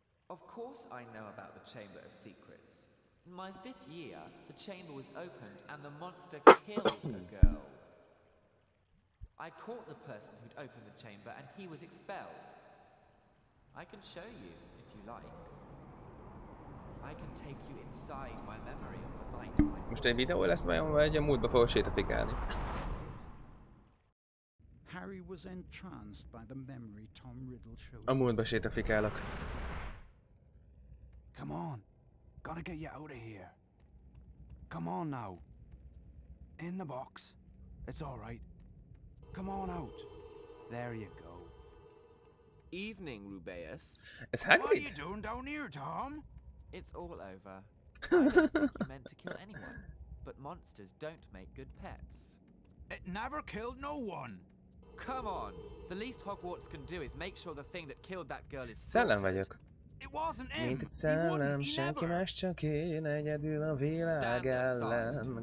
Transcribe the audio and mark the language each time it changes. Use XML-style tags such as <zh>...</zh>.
<en>Of course I know about the Chamber of Secrets. In my fifth year, the chamber was opened and the monster killed a girl. I caught the person who'd opened the chamber and he was expelled. I can show you if you like. I can take you inside my memory of the night.</en> <hu>Most egy videó lesz, vagy a múltba fogok sétapikálni.</hu> <en>Harry was entranced by the memory Tom Riddle showed.</en> <hu>A múltba sétapikálok.</hu> <en>Come on. Gotta get you out of here. Come on now. In the box. It's all right. Come on out. There you go. Evening, Rubeus. It's Hagrid. What are you doing down here, Tom? It's all over. I don't think you meant to kill anyone, but monsters don't make good pets. It never killed no one. Come on. The least Hogwarts can do is make sure the thing that killed that girl is</en> <hu>Szellem vagyok.</hu> <en>It wasn't him.</en> <hu>Mint egy szellem, senki más, csak én egyedül a világ ellen.</hu>